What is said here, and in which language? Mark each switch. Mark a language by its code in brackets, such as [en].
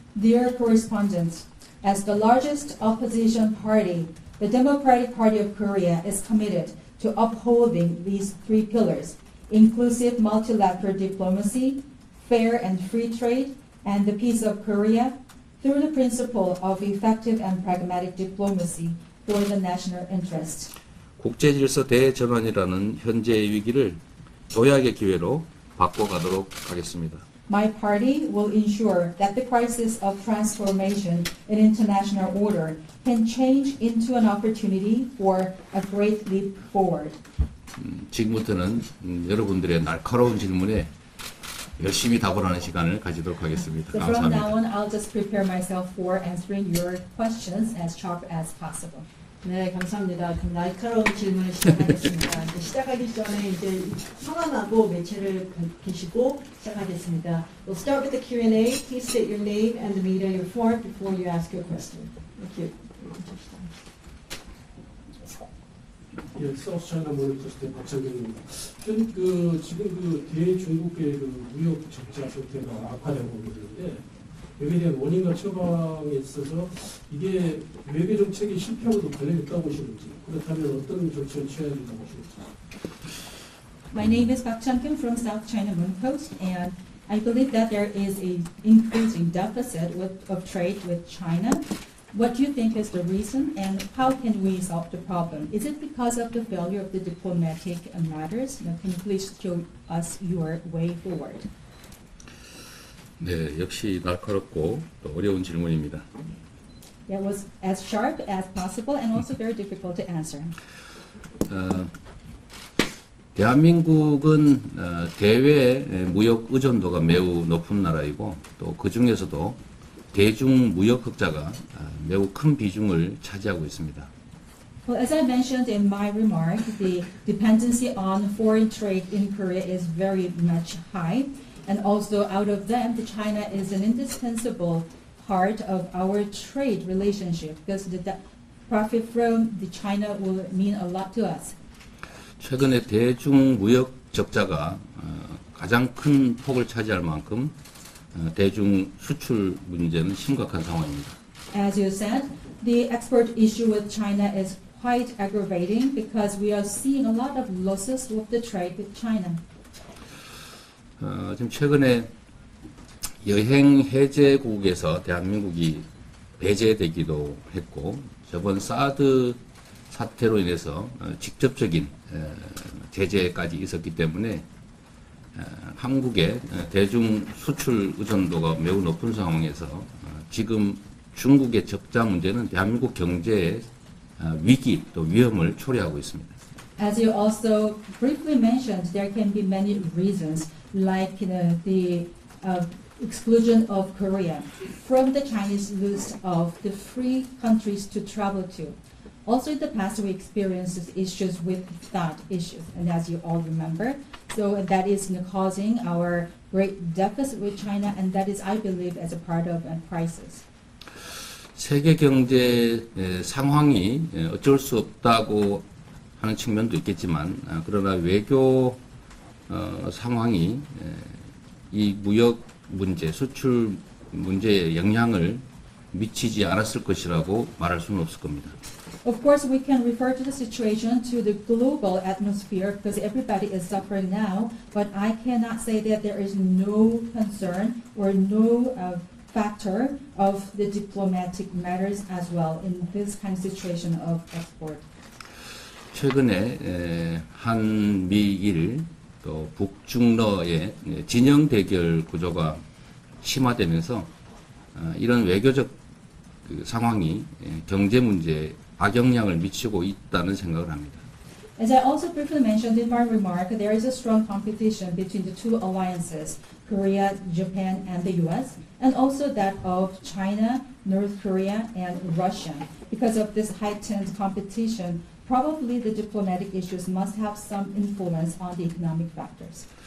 [en] Dear correspondents, as the largest opposition party, the Democratic Party of Korea is committed to upholding these three pillars, inclusive multilateral diplomacy, fair and free trade, and the peace of Korea through the principle of effective and pragmatic diplomacy for the national interest. [ko] 국제질서 대전환이라는 현재의 위기를 도약의 기회로 바꿔가도록 하겠습니다. [en] My party will ensure that the crisis of transformation in international order can change into an opportunity for a great leap forward. [ko] 지금부터는 여러분들의 날카로운 질문에 열심히 답을 하는 시간을 가지도록 하겠습니다. [en] So [ko] 감사합니다. [en] From now on, I'll just prepare myself for answering your questions as sharp as possible. [ko] 네, 감사합니다. 그럼 날카로운 질문을 시작하겠습니다. 이제 시작하기 전에 이제 성함하고 매체를 밝히시고 시작하겠습니다. [en] We'll start with the Q&A. Please state your name and the media you're for before you ask your question. Thank you. [ko] 예, 사우스 차이나 모니터스의 박찬경입니다. 지금 그 대중국의 그 무역 적자 상태가 악화되고 있는데 여기에 대한 원인과 처방에 있어서 이게 외교 정책이 실패하고도 관련이 있다고 보시는지 그렇다면 어떤 조치를 취해야 된다고 보시는지 [en] My name is Park Chan-kim from South China Moon Post and I believe that there is an increasing deficit of trade with China. What do you think is the reason and how can we solve the problem? Is it because of the failure of the diplomatic matters? Now, can you please show us your way forward? [ko] 네, 역시 날카롭고 또 어려운 질문입니다. [en] It was as sharp as possible and also very difficult to answer. [ko] 대한민국은 대외 무역 의존도가 매우 높은 나라이고 또 그 중에서도 대중 무역 흑자가 매우 큰 비중을 차지하고 있습니다. [en] Well, as I mentioned in my remark, the dependency on foreign trade in Korea is very much high, and also out of them, the China is an indispensable part of our trade relationship because the profit from the China will mean a lot to us. [ko] 최근에 대중 무역 적자가 가장 큰 폭을 차지할 만큼 대중 수출 문제는 심각한 상황입니다. [en] As you said, the export issue with China is quite aggravating because we are seeing a lot of losses with the trade with China. [ko] 지금 최근에 여행 해제국에서 대한민국이 배제되기도 했고 저번 사드 사태로 인해서 직접적인 제재까지 있었기 때문에 한국의 대중 수출 의존도가 매우 높은 상황에서 지금 중국의 적자 문제는 대한민국 경제의 위기 또 위험을 초래하고 있습니다. [en] As you also briefly mentioned, there can be many reasons like the exclusion of Korea from the Chinese list of the free countries to travel to. Also, in the past, we experienced issues with that issue, and as you all remember, so that is causing our great deficit with China, and that is, I believe, as a part of a crisis. [ko] 세계 경제 상황이 어쩔 수 없다고 하는 측면도 있겠지만, 그러나 외교 상황이 이 무역 문제, 수출 문제의 영향을 미치지 않았을 것이라고 말할 수는 없을 겁니다. [en] Of course, we can refer to the situation to the global atmosphere because everybody is suffering now, but I cannot say that there is no concern or no factor of the diplomatic matters as well in this kind of situation of export. [ko] 최근에 한미일 또 북중러의 진영 대결 구조가 심화되면서 이런 외교적 그 상황이 경제 문제에 악영향을 미치고 있다는 생각을 합니다. [en] As I also briefly mentioned in my remark, there is a strong competition between the two alliances, Korea, Japan, and the U.S., and also that of China, North Korea, and Russia. Because of this heightened competition, probably the diplomatic issues must have some influence on the economic factors.